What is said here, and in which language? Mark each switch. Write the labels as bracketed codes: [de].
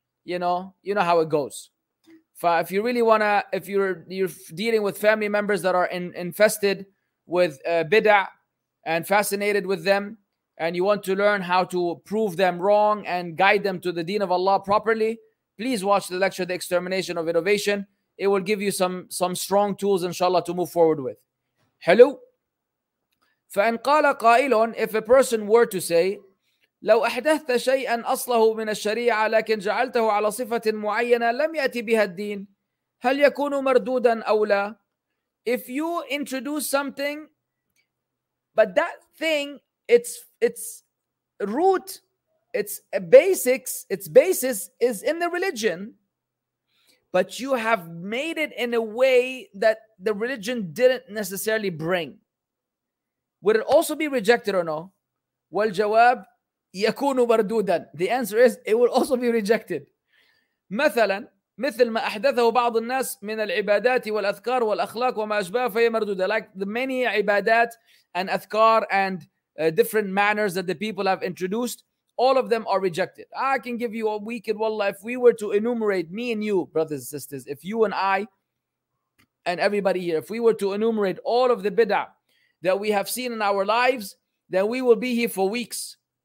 [en] You know how it goes. If you really want to, if you're dealing with family members that are infested with bid'ah and fascinated with them, and you want to learn how to prove them wrong and guide them to the deen of Allah properly, please watch the lecture, The Extermination of Innovation. It will give you some strong tools, inshallah, to move forward with. Hello? [ar] فَإِنْ قَالَ قَائِلٌ, [en] if a person were to say, [ar] لو أحدثت شيئا أصله من الشريعة لكن جعلته على صفة معينة لم يأتي بها الدين هل يكون مردودا أو لا. [en] If you introduce something, but that thing, its root, its basics, its basis is in the religion, but you have made it in a way that the religion didn't necessarily bring, would it also be rejected or no? [ar] والجواب يكون مردودا. [en] The answer is, it will also be rejected. [ar] مثلا مثل ما أحدثه بعض الناس من العبادات والأذكار والأخلاق وما أشبه فهي مردودة. [en] Like the many عبادات and أذكار and different manners that the people have introduced, all of them are rejected. I can give you a weekend, والله, if we were to enumerate, me and you, brothers and sisters, if you and I and everybody here, if we were to enumerate all of the bid'ah that we have seen in our lives, then we will be here for weeks.